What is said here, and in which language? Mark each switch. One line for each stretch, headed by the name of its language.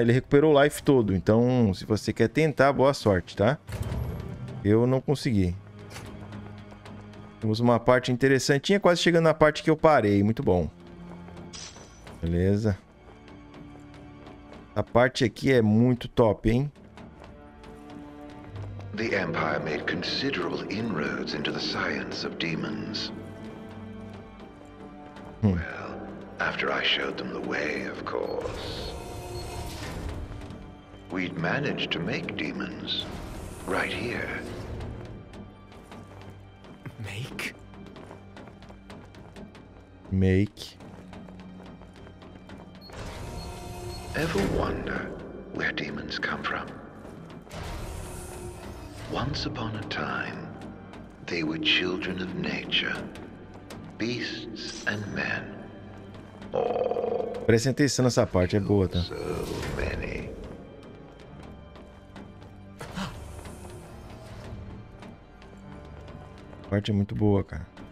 Portuguese: Ele recuperou o life todo. Então, se você quer tentar, boa sorte, tá? Eu não consegui. Temos uma parte interessantinha, quase chegando na parte que eu parei. Muito bom. Beleza. A parte aqui é muito top, hein?
English: The Empire made considerable inroads into the science of demons. Well, after I showed them the way, of course. We'd managed to make demons right here. Make? Ever wonder where demons come from? Once upon a time, they were children of nature, beasts and men.
Portuguese: Presta atenção nessa parte, é boa, tá?
English: So many.
Portuguese: A parte é muito boa, cara.